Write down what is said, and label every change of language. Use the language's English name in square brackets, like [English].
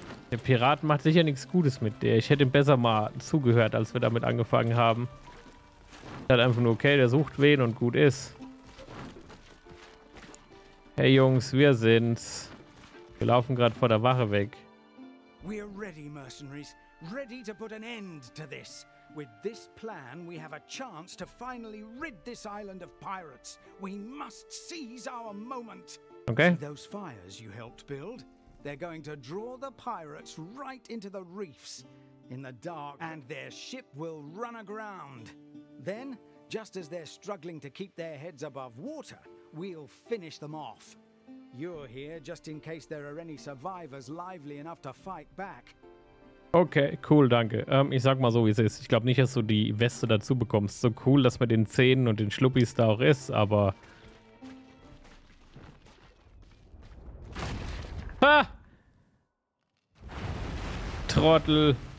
[German] Der Pirat macht sicher nichts Gutes mit der. Ich hätte ihm besser mal zugehört, als wir damit angefangen haben. Er hat einfach nur, okay, der sucht wen und gut ist. Hey Jungs, wir sind's. Wir laufen gerade vor der Wache weg. Wir sind bereit, Mercenaries. [English] Ready to put an end to this. With this plan, we have a chance to finally rid this island of pirates. We must seize our moment. Okay. See those fires you helped build? They're going to draw the pirates right into the reefs in the dark, and their ship will run aground. Then, just as they're struggling to keep their heads above water, we'll finish them off. You're here just in case there are any survivors lively enough to fight back. [German] Okay, cool, danke. Ich sag mal so, wie es ist. Ich glaube nicht, dass du die Weste dazu bekommst. So cool, dass mit den Zähnen und den Schluppis da auch ist, aber... Ha! Trottel!